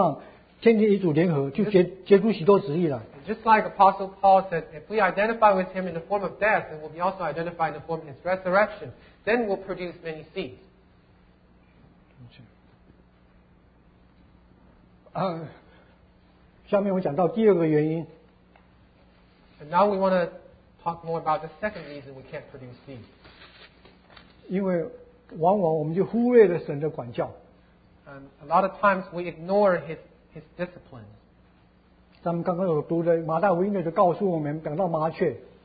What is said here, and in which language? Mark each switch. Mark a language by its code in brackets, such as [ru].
[zh] 就像使徒保罗说，在死的形状上，天天与主联合；也在复活的形状上，天天与主联合，就结出许多子粒来。 [en] Just like Apostle Paul said, if we identify with him in the form of death, then we'll be also identified in the form of his resurrection. Then we'll produce many seeds. [zh] 下面我讲到第二个原因。 [en] And now we want to talk more about the second reason we can't produce seed. [zh] 因为往往我们就忽略了神的管教。 [en] And a lot of times we ignore his discipline. [zh] 咱们刚刚有读的马大福音就告诉我们讲到麻雀。